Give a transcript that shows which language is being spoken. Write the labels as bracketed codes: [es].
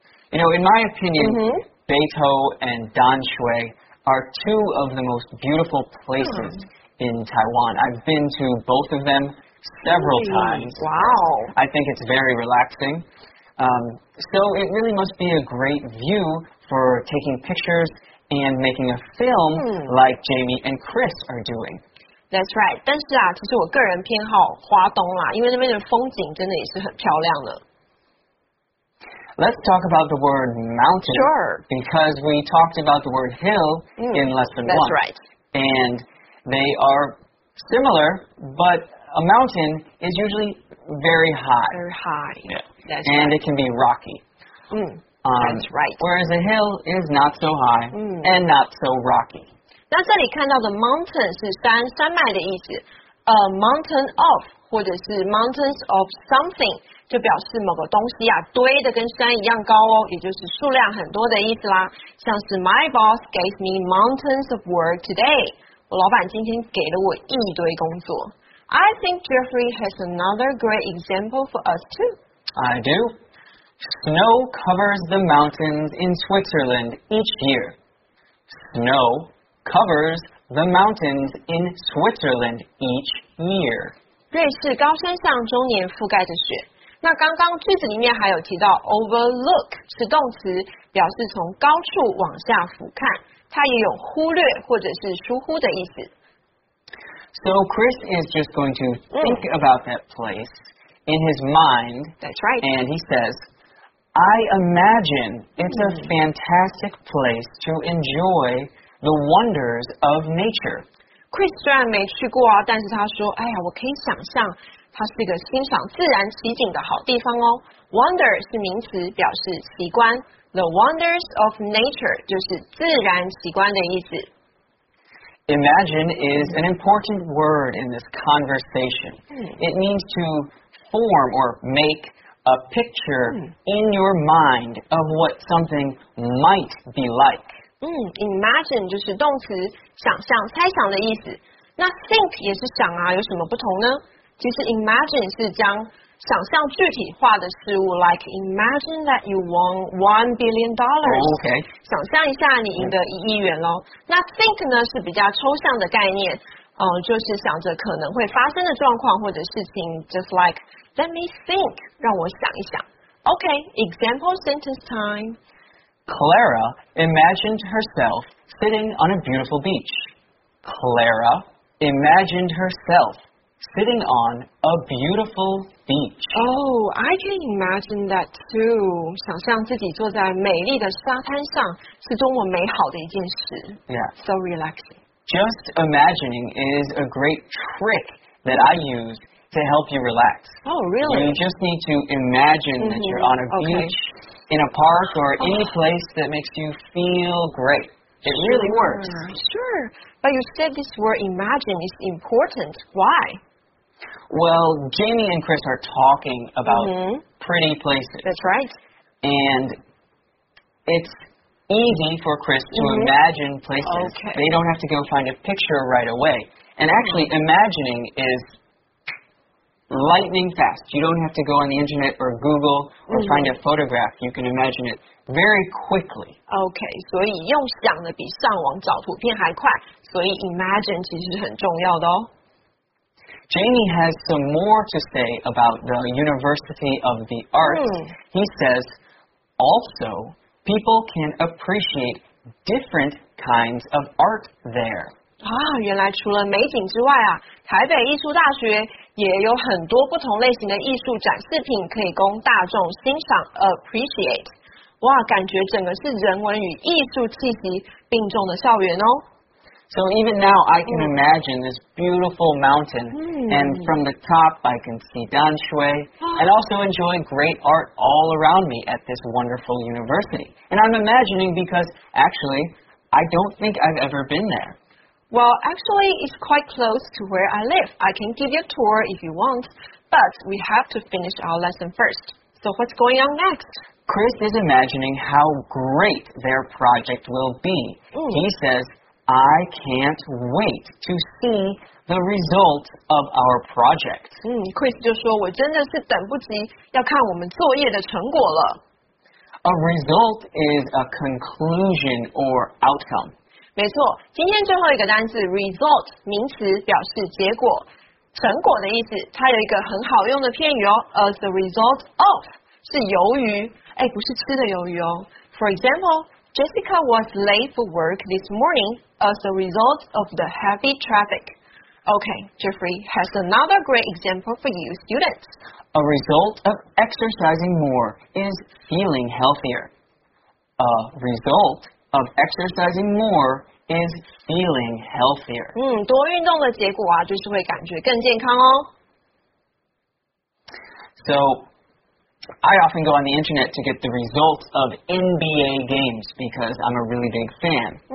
[en] You know, in my opinion,Beito and Danshui are two of the most beautiful places in Taiwan. I've been to both of them several times. Wow. I think it's very relaxing. So it really must be a great view for taking pictures and making a film like Jamie and Chris are doing. That's right. [zh] 但是啊，其实我个人偏好花东啦，因为那边的风景真的也是很漂亮的。 [en] Let's talk about the word mountain. Sure. Because we talked about the word hill in lesson one. That's right. And they are similar, but a mountain is usually very high. Very high. Yeah. That's and right. it can be rocky. That's right. Whereas a hill is not so high and not so rocky. [zh] 那这里看到的 mountain 是山山脉的意思。 [en] Mountain of [zh] 或者是 [en] mountains of something. [zh] 就表示某个东西啊，堆的跟山一样高哦，也就是数量很多的意思啦。像是 [en] My boss gave me mountains of work today. [zh] 我老板今天给了我一堆工作。 [en] I think Jeffrey has another great example for us too. I do. Snow covers the mountains in Switzerland each year. Snow covers the mountains in Switzerland each year. [zh] 瑞士高山上终年覆盖着雪。那刚刚句子里面还有提到 overlook 是动词，表示从高处往下俯瞰，它也有忽略或者是疏忽的意思。 [en] So Chris is just going to think about that place in his mind. That's right. And he says, I imagine it's a fantastic place to enjoy the wonders of nature. [zh] Chris 虽然没去过啊，但是他说，哎呀，我可以想象。它是一个欣赏自然奇景的好地方哦。Wonder 是名词，表示奇观。 [en] The wonders of nature [zh] 就是自然奇观的意思。 [en] Imagine is an important word in this conversation. It means to form or make a picture in your mind of what something might be like. [zh] Imagine 就是动词，想象、猜想的意思。那 think 也是想啊，有什么不同呢？其实 imagine 是将想象具体化的事物 ， [en] like imagine that you won $1 billion. Oh, okay. [zh] 想象一下你赢得1亿元喽。那 think 呢是比较抽象的概念，就是想着可能会发生的状况或者事情 ， [en] just like let me think， [zh] 让我想一想。 [en] Okay, example sentence time. Clara imagined herself sitting on a beautiful beach. Clara imagined herself. Sitting on a beautiful beach. Oh, I can imagine that too. 想象自己坐在美丽的沙滩上是多么美好的一件事。 Yeah. So relaxing. Just imagining is a great trick that I use to help you relax. Oh, really? You just need to imagine that you're on a beach, in a park, or any place that makes you feel great. It really works. Sure. But you said this word imagine is important. Why? Well, Jamie and Chris are talking about pretty places. That's right. And it's easy for Chris to imagine places. Okay. They don't have to go find a picture right away. And actually, imagining is lightning fast. You don't have to go on the internet or Google or find a photograph. You can imagine it. Very quickly. [zh] Okay, 所以用想的比上网找图片还快，所以 imagine 其实很重要的哦。 [en] Jamie has some more to say about the University of the Arts. He says, also, people can appreciate different kinds of art there. [zh] 啊，原来除了美景之外啊，台北艺术大学也有很多不同类型的艺术展示品可以供大众欣赏 appreciate. 哇，感觉整个是人文与艺术气息并重的校园哦。 [en] So even now I can imagine this beautiful mountain, and from the top I can see Danshui, and also enjoy great art all around me at this wonderful university. And I'm imagining because actually I don't think I've ever been there. Well, actually it's quite close to where I live. I can give you a tour if you want, but we have to finish our lesson first. So what's going on next? Chris is imagining how great their project will be. He says, I can't wait to see the result of our project. [zh] Chris 就说我真的是等不及要看我们作业的成果了。 [en] A result is a conclusion or outcome. [zh] 没错，今天最后一个单字 result, 名词表示结果。成果的意思，它有一个很好用的片语哦， [en] as a result of, [zh] 是由于。哎，不是吃的鱿鱼哦。 [en] For example, Jessica was late for work this morning as a result of the heavy traffic. Okay, Jeffrey has another great example for you students. A result of exercising more is feeling healthier. A result of exercising more is feeling healthier. [zh] 多运动的结果啊，就是会感觉更健康哦。 [en] So,I often go on the internet to get the results of NBA games because I'm a really big fan.